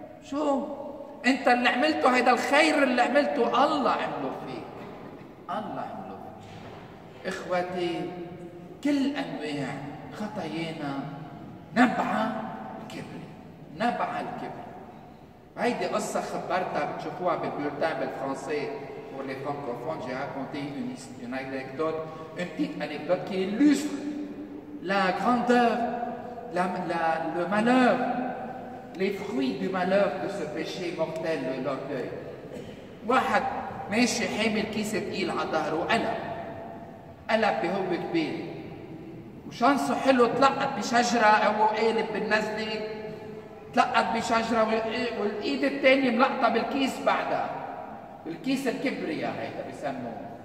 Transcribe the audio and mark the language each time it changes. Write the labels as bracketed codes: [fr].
[ar] شو أنت اللي عملته؟ هذا الخير اللي عملته الله عمله فيك، الله عمله فيك. إخوتي كل أنواع خطايانا نبع الكبر، نبع الكبر. هيدي قصة خبرتها بتشوفوها بالبيوتان بالفرنسي [fr] pour les francophones, j'ai raconté une anecdote, une petite anecdote qui illustre la grandeur, le malheur, les fruits du malheur de ce péché mortel, l'orgueil. [ar] واحد ماشي حامل كيسة تقيل على ظهره وقلب قلب بهو كبير وشانسه حلو تلقط بشجرة أو قالب بالنزلة تلقط بشجرة والإيد الثانية ملقطة بالكيس بعدها الكيس الكبرياء هيدا بيسموه.